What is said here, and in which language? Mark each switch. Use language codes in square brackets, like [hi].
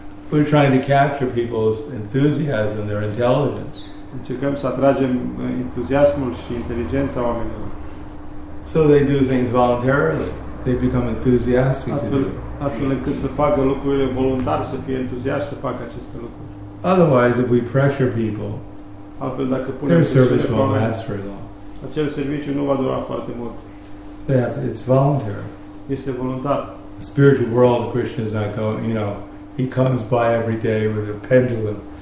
[en] We're trying to capture people's enthusiasm, their intelligence. [ro] Încercăm să atragem entuziasmul și inteligența oamenilor. [en] So they do things voluntarily. They become enthusiastic to do. [ro] Astfel încât să facă lucrurile voluntar, să fie entuziaști să facă aceste lucruri. [en] Otherwise, if we pressure people, their service won't last very long. [ro] Acel serviciu nu va dura foarte mult. [en] It's voluntary. [ro] Este voluntar. [en] The spiritual world, Krishna is not going, you know, he comes by every day with a pendulum.